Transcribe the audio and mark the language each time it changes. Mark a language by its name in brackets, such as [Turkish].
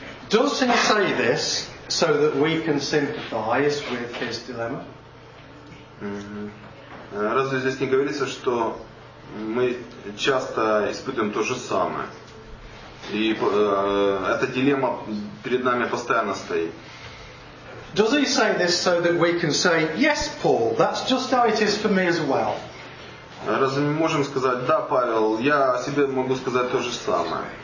[English] Does he say this so that we can sympathize with his dilemma? [Russian] Разве здесь не говорится, что мы часто испытываем то же самое? И эта дилемма перед нами постоянно стоит. [English] Does he say this so that we can say, yes, Paul, that's just how it is for me as well? [Russian] Разве мы можем сказать, да, Павел, я о себе могу сказать то же самое?